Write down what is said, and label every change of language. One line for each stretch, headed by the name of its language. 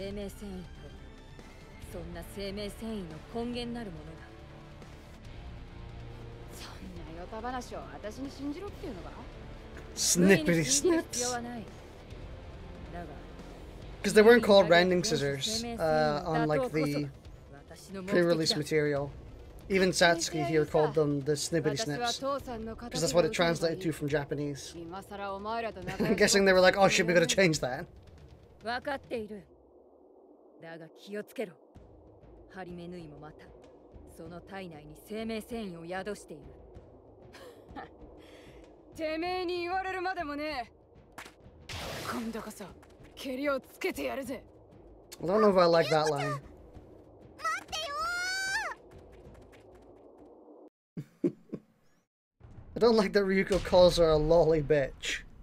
Japanese: そんな生命繊維の根源なるものだ。そんなヨタ話を私に信じろっていうのか。スニッピリスニッツ。
English: Because they weren't called rending scissors, on like the pre-release material. Even Satsuki here called them the snippity snips. Because that's what it translated to from Japanese. I'm guessing they were like, oh shit, we gotta change that.
Japanese: わかっている。だが気をつけろ。ハリメヌイもまたその体内に生命繊維を宿している。てめえに言われるまでもねえ。今度こそ蹴りをつけてやるぜ。
English: I don't know if I like that line.
Japanese: 待ってよ。
English: I don't like that Ryuko calls her a lolly bitch.